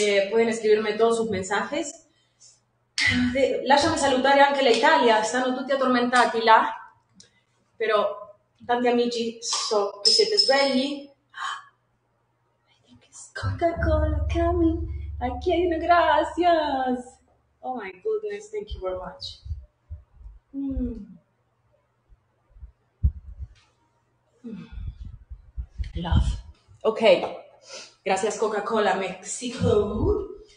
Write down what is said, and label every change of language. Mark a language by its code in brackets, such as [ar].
[es] pueden escribirme todos sus mensajes. [it] Lasciami salutare anche l'Italia, stanno tutti attormentati là, però tanti amici so che siete svegli. [en] I think it's Coca-Cola coming, again, gracias. Oh my goodness, thank you very much. Love. Okay, gracias Coca-Cola Mexico.